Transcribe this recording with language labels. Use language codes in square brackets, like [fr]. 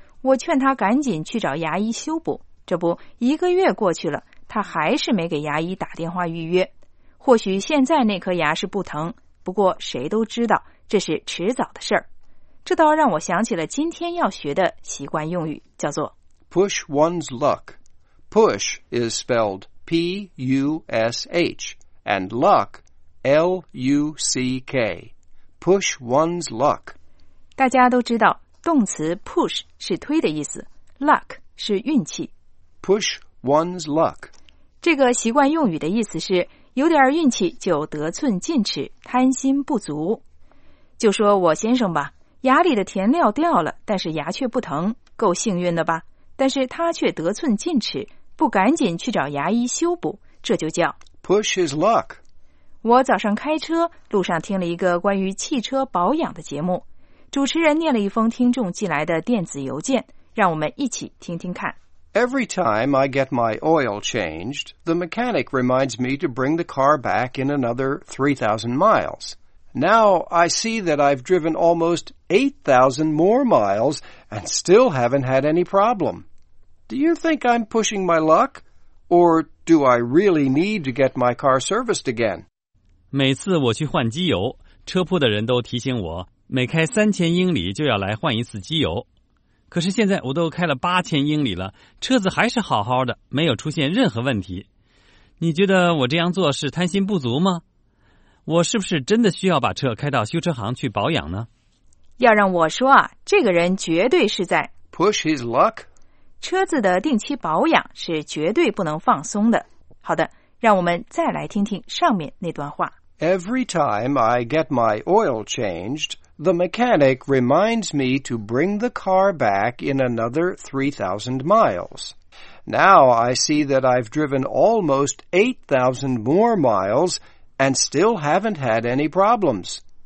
[zh] 我劝他赶紧去找牙医修补。这不，一个月过去了，他还是没给牙医打电话预约。或许现在那颗牙是不疼，不过谁都知道，这是迟早的事儿。这倒让我想起了今天要学的习惯用语，叫做 [en] Push one's luck. Push is spelled P-U-S-H and luck, L-U-C-K. Push one's luck. [zh] 大家都知道，动词 push 是推的意思， luck 是运气。 [en] Push one's luck. [zh] 这个习惯用语的意思是，有点运气就得寸进尺，贪心不足。就说我先生吧，牙里的填料掉了，但是牙却不疼，够幸运的吧？但是他却得寸进尺，不赶紧去找牙医修补，这就叫 [en] push his luck. [zh] 我早上开车，路上听了一个关于汽车保养的节目，主持人念了一封听众寄来的电子邮件，让我们一起听听看。 [en] Every time I get my oil changed, the mechanic reminds me to bring the car back in another 3,000 miles. Now I see that I've driven almost 8,000 more miles and still haven't had any problem. Do you think I'm pushing my luck? Or do I really need to get my car serviced again? [zh] 每次我去换机油，车铺的人都提醒我，每开3000英里就要来换一次机油。可是现在我都开了8000英里了，车子还是好好的，没有出现任何问题。你觉得我这样做是贪心不足吗？我是不是真的需要把车开到修车行去保养呢？要让我说啊，这个人绝对是在 [en] push his luck。 [zh] 车子的定期保养是绝对不能放松的。好的。让我们再来听听上面那段话。 [en] Every time I get my oil changed, the mechanic reminds me to bring the car back in another 3,000 miles. Now I see that I've driven almost 8,000 more miles and still haven't had any problems.